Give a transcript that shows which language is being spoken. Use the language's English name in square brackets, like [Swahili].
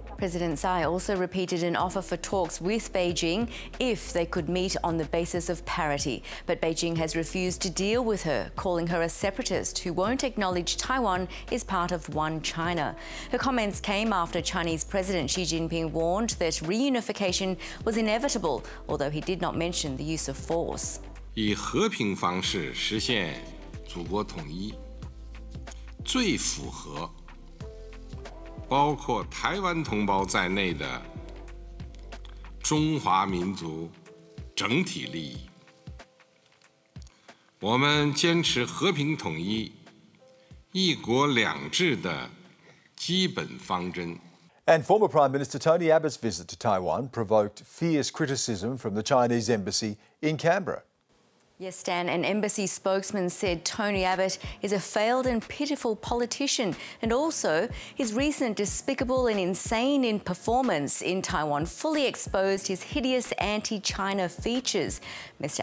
[English] President Tsai also repeated an offer for talks with Beijing if they could meet on the basis of parity. But Beijing has refused to deal with her, calling her a separatist who won't acknowledge Taiwan is part of one China. Her comments came after Chinese President Xi Jinping warned that reunification was inevitable, although he did not mention the use of force. [Chinese] 以和平方式实现祖国统一，最符合包括台湾同胞在内的中华民族整体利益。我们坚持和平统一、一国两制的基本方针。 [English] And former Prime Minister Tony Abbott's visit to Taiwan provoked fierce criticism from the Chinese embassy in Canberra. Yes, Stan, an embassy spokesman said Tony Abbott is a failed and pitiful politician, and also his recent despicable and insane in performance in Taiwan fully exposed his hideous anti-China features. Mr.